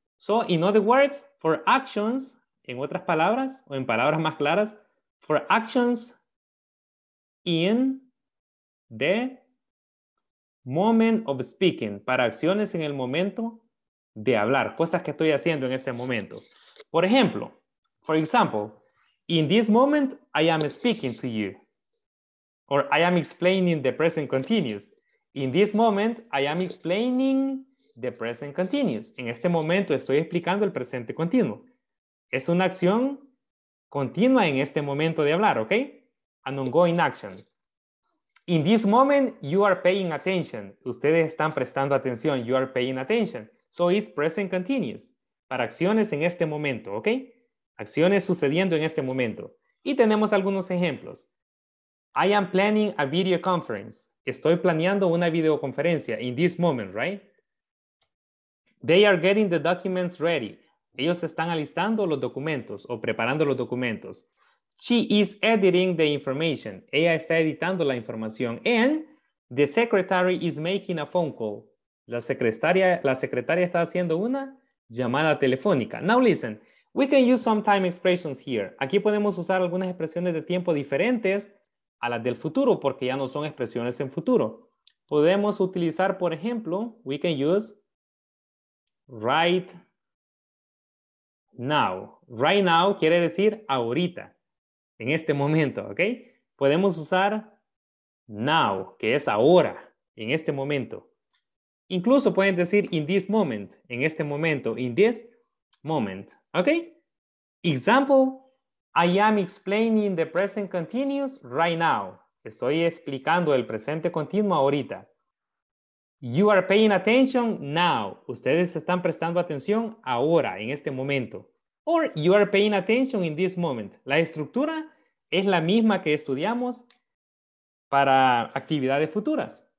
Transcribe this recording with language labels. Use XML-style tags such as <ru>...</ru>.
<en>So, in other words, for actions,</en> <es>en otras palabras, o en palabras más claras,</es> <en>for actions in the moment of speaking,</en> <es>para acciones en el momento de hablar, cosas que estoy haciendo en este momento. Por ejemplo,</es> <en>for example, in this moment, I am speaking to you. Or I am explaining the present continuous. In this moment, I am explaining the present continuous.</en> <es>En este momento estoy explicando el presente continuo. Es una acción continua en este momento de hablar, ¿ok?</es> <en>An ongoing action. In this moment, you are paying attention.</en> <es>Ustedes están prestando atención.</es> <en>You are paying attention. So it's present continuous.</en> <es>Para acciones en este momento, ¿ok? Acciones sucediendo en este momento. Y tenemos algunos ejemplos.</es> <en>I am planning a video conference.</en> <es>Estoy planeando una videoconferencia.</es> <en>In this moment, right? They are getting the documents ready.</en> <es>Ellos están alistando los documentos o preparando los documentos.</es> <en>She is editing the information.</en> <es>Ella está editando la información.</es> <en>And the secretary is making a phone call.</en> <es>La secretaria está haciendo una llamada telefónica.</es> <en>Now listen, we can use some time expressions here.</en> <es>Aquí podemos usar algunas expresiones de tiempo diferentes a las del futuro porque ya no son expresiones en futuro. Podemos utilizar, por ejemplo,</es> <en>we can use right now.</en> <es>Right now quiere decir ahorita, en este momento, ¿ok? Podemos usar now, que es ahora, en este momento. Incluso pueden decir</es> <en>in this moment,</en> <es>en este momento, in this moment, ¿ok?</es> <en>Example, I am explaining the present continuous right now.</en> <es>Estoy explicando el presente continuo ahorita.</es> <en>You are paying attention now.</en> <es>Ustedes están prestando atención ahora, en este momento.</es> <en>Or you are paying attention in this moment.</en> <es>La estructura es la misma que estudiamos para actividades futuras.</es>